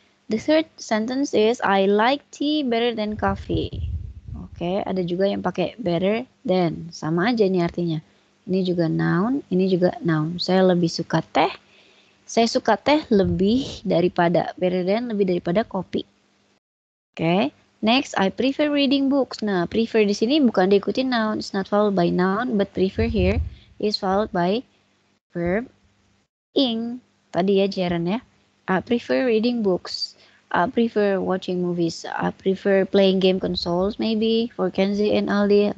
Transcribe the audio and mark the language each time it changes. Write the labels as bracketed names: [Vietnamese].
[English] The third sentence is, I like tea better than coffee. [Indonesian] Okay, ada juga yang pakai better than. Sama aja ini artinya. Ini juga noun, ini juga noun. Saya lebih suka teh. Saya suka teh lebih daripada, better than lebih daripada kopi. [English] Okay. Next, I prefer reading books. [Indonesian] Nah, prefer di sini bukan diikuti noun, [English] it's not followed by noun, but prefer here is followed by verb ing. [Indonesian] Tadi ya, gerund ya. [English] I prefer reading books. I prefer watching movies. I prefer playing game consoles, maybe, for Kenzie and Aldi.